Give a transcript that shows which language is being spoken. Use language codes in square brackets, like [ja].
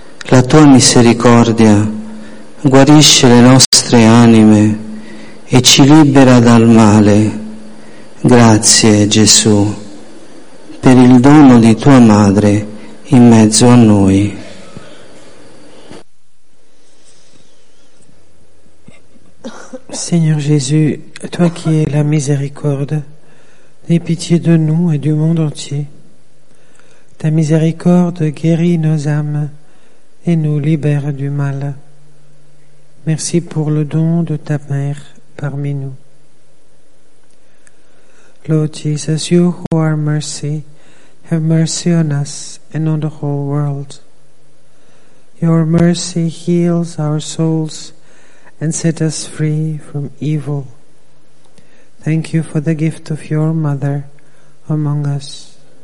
[it] La tua misericordia guarisce le nostre anime e ci libera dal male. Grazie, Gesù, per il dono di tua madre in mezzo a noi. [fr] Seigneur Jésus, toi qui es la miséricorde, aie pitié de nous et du monde entier. Ta miséricorde guérit nos âmes et nous libère du mal. Merci pour le don de ta mère parmi nous. [en] Lord Jesus, you who are mercy, have mercy on us and on the whole world. Your mercy heals our souls and set us free from evil. Thank you for the gift of your mother among us.